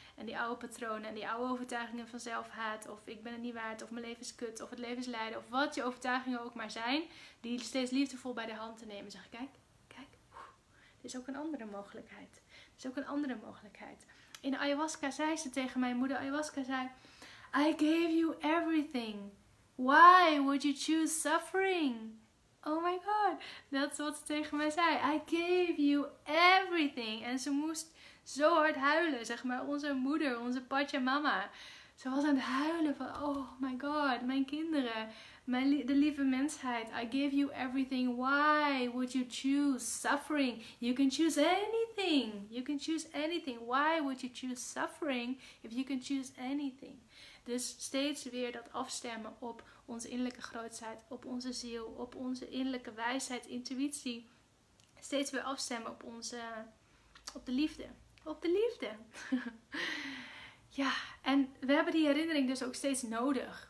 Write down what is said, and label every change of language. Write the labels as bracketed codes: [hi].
[nl] En die oude patronen en die oude overtuigingen van zelfhaat. Of ik ben het niet waard, of mijn leven is kut, of het leven is lijden. Of wat je overtuigingen ook maar zijn. Die steeds liefdevol bij de hand te nemen. Zeg, kijk, kijk. Er is ook een andere mogelijkheid. Er is ook een andere mogelijkheid. In ayahuasca zei ze tegen mijn moeder. Ayahuasca zei, [en] I gave you everything. Why would you choose suffering? Oh my god. [nl] Dat is wat ze tegen mij zei. [en] I gave you everything. [nl] En ze moest zo hard huilen. Zeg maar onze moeder, onze Pachamama. Ze was aan het huilen van [en] oh my god. [nl] Mijn kinderen. De lieve mensheid, [en] I give you everything. Why would you choose suffering? You can choose anything. You can choose anything. Why would you choose suffering if you can choose anything? [nl] Dus steeds weer dat afstemmen op onze innerlijke grootheid, op onze ziel, op onze innerlijke wijsheid, intuïtie. Steeds weer afstemmen op onze, op de liefde. Op de liefde. Ja, en we hebben die herinnering dus ook steeds nodig.